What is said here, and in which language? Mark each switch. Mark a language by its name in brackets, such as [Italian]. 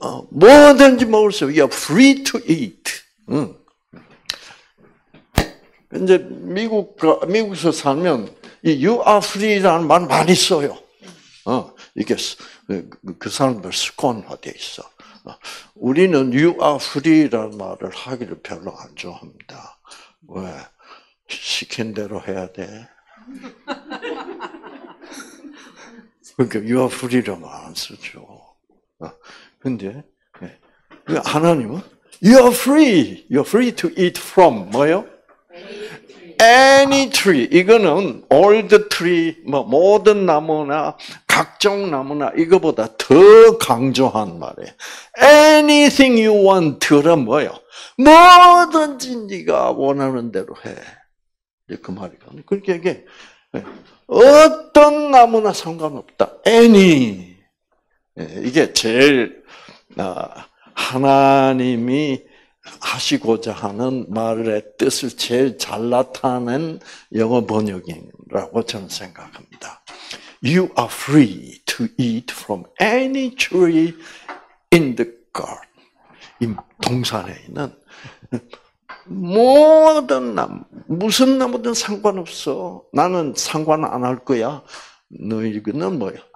[Korean] 뭐든지 먹을 수 있어. [English] You are free to eat. [Korean] 응. 이제 미국에서 살면 이 [English] you are free [Korean] 라는 말 많이 써요. 이게 그 사람들 습관화되어 있어. 우리는 [English] you are free [Korean] 라는 말을 하기를 별로 안 좋아합니다. 왜? 시킨 대로 해야 돼. 그러니까 [English] you are free [Korean] 라는 말 안 쓰죠. 근데 하나님은 [English] you are free. You are free to eat from [Korean] 뭐요? [English] Any tree. [Korean] 이거는 [English] all the tree, [Korean] 뭐 모든 나무나 각종 나무나 이거보다 더 강조한 말이에요. [English] Anything you want란 [Korean] 뭐예요? 뭐든지 네가 원하는 대로 해. 그 말이거든요. 그러니까 이게 어떤 나무나 상관없다. [English] Any. [Korean] 이게 제일 하나님이 하시고자 하는 말의 뜻을 제일 잘 나타낸 영어 번역이라고 저는 생각합니다. [English] You are free to eat from any tree in the garden. [Korean] 이 동산에 있는 모든 나무, 무슨 나무든 상관없어. 나는 상관 안 할 거야. 너희는 뭐야?